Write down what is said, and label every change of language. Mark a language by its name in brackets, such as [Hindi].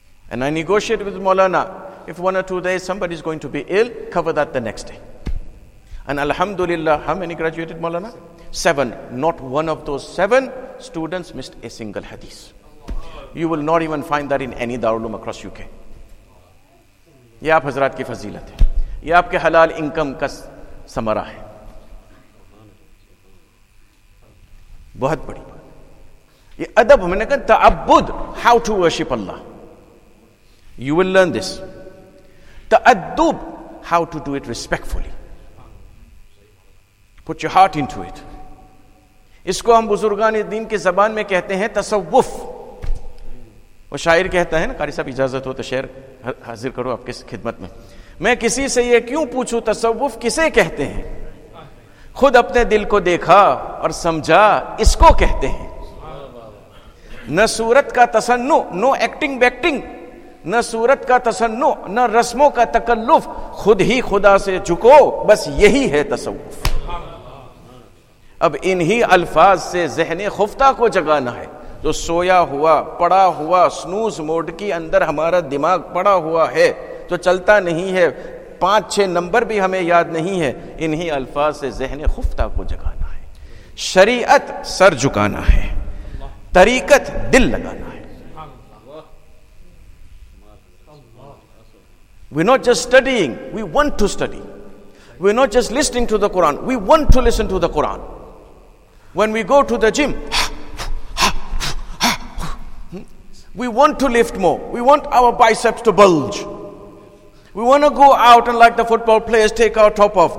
[English] And I negotiate with Maulana, if 1 or 2 days somebody is going to be ill, cover that the next day. And alhamdulillah, how many graduated Maulana? 7. Not one of those 7 students missed a single hadith. You will not even find that in any darulum across UK. [Urdu] یہ آپ حضرات کی فضیلت ہے, یہ آپ کے حلال انکم کا ثمرہ ہے, بہت بڑی بات. یہ ادب میں نے کہا تعبد, [English] how to worship Allah. You will learn this. تعدب, how to do it respectfully. Put your heart into it. [Urdu] اس کو ہم بزرگان دین کی زبان میں کہتے ہیں تصوف. وہ شاعر کہتا ہے نا, قاری صاحب اجازت ہو تو شعر حاضر کرو آپ کی خدمت میں. میں کسی سے یہ کیوں پوچھوں تصوف کسے کہتے ہیں, خود اپنے دل کو دیکھا اور سمجھا اس کو کہتے ہیں. نہ صورت کا تصنع, [English] no acting بیکٹنگ, [Urdu] نہ صورت کا تصنع, نہ رسموں کا تکلف, خود ہی خدا سے جھکو, بس یہی ہے تصوف. اب انہی الفاظ سے ذہن خفتہ کو جگانا ہے, جو سویا ہوا پڑا ہوا سنوز موڈ کی اندر ہمارا دماغ پڑا ہوا ہے, جو چلتا نہیں ہے، پانچ چھ نمبر بھی ہمیں یاد نہیں ہے، انہی الفاظ سے ذہن خفتہ کو جگانا ہے، شریعت سر جھکانا ہے، طریقت دل لگانا ہے. [English] We're not just studying, we want to study. We're not just listening to the Quran, we want to listen to the Quran. When we go to the gym, we want to lift more. We want our biceps to bulge. We want to go out and like the football players take our top off.